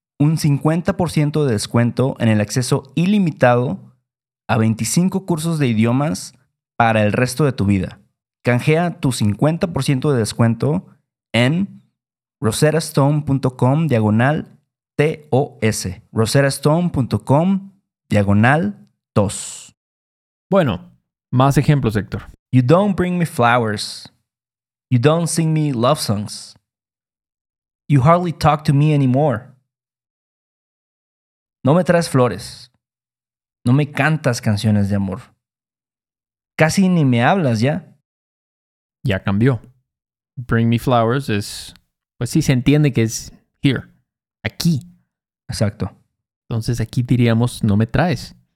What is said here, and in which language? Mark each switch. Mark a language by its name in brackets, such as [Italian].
[Spanish] Un 50% de descuento en el acceso ilimitado a 25 cursos de idiomas para el resto de tu vida. Canjea tu 50% de descuento en rosettastone.com/TOS. rosettastone.com/TOS. Bueno, más ejemplos, Héctor. [English] You don't bring me flowers. You don't sing me love songs. You hardly talk to me anymore. [Spanish] No me traes flores. No me cantas canciones de amor. Casi ni me hablas ya. Ya cambió. [English] Bring me flowers [Spanish] es, pues sí, se entiende que es here. Aquí. Exacto. Entonces aquí diríamos, no me traes.